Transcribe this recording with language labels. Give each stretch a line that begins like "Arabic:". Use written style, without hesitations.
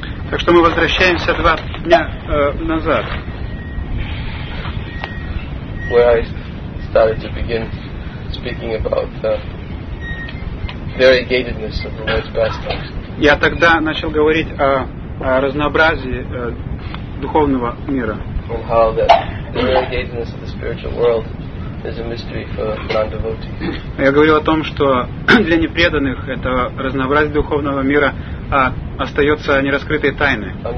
Russian: Так что мы возвращаемся 2 дня назад.
English: Where I started to begin speaking about the variegatedness of the Lord's pastimes.
Russian: Я тогда начал говорить о разнообразии духовного мира.
English: And how the variegatedness of the spiritual world is a mystery for non-devotees.
Russian: Я говорил о том, что для непреданных это разнообразие духовного мира остается нераскрытой тайной.